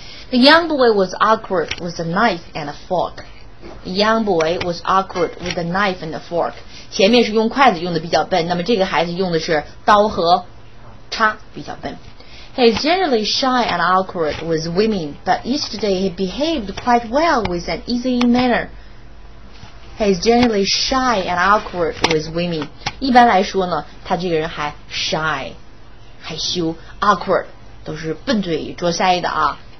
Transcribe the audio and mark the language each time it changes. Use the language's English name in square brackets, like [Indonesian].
[English] The young boy was awkward with a knife and a fork. The young boy was awkward with a knife and a fork. [Chinese] 前面是用筷子用的比较笨，那么这个孩子用的是刀和叉，比较笨。 [English] He is generally shy and awkward with women, but yesterday he behaved quite well with an easy manner. He is generally shy and awkward with women. [Chinese] 一般来说呢，他这个人还 shy， 害羞 ，awkward 都是笨嘴拙腮的啊。